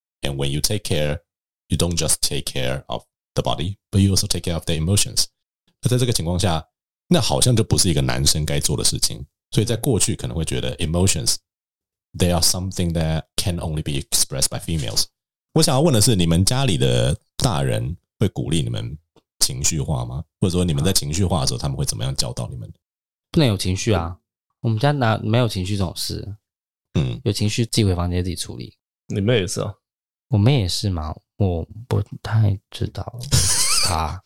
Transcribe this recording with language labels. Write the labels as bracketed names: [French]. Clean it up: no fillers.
[English] And when you take care, you don't just take care of the body, but you also take care of the emotions. [Chinese] 那在这个情况下，那好像就不是一个男生该做的事情。所以在过去可能会觉得 [English] emotions, they are something that can only be expressed by females. [Chinese] 我想要问的是，你们家里的大人会鼓励你们情绪化吗？或者说你们在情绪化的时候，他们会怎么样教导你们？不能有情绪啊，我们家哪没有情绪这种事。嗯，有情绪自己回房间自己处理。你妹也是啊？我妹也是吗？我不太知道她